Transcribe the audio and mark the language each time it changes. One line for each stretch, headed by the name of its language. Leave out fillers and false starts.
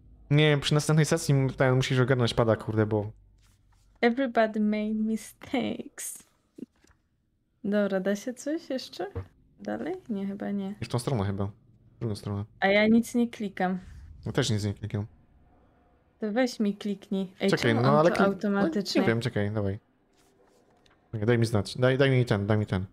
Polish: Nie, przy następnej sesji tutaj musisz ogarnąć pada, kurde, bo...
English: Everybody made mistakes.
Polish: Dobra, da się coś jeszcze? Dalej? Nie, chyba nie. I w tą stronę chyba. W drugą stronę. A ja nic nie klikam. No też nic nie klikam. To weź mi kliknij. Ej, czekaj, czemu no on ale to automatycznie? Nie wiem, czekaj, dawaj. Daj mi znać. Daj mi ten.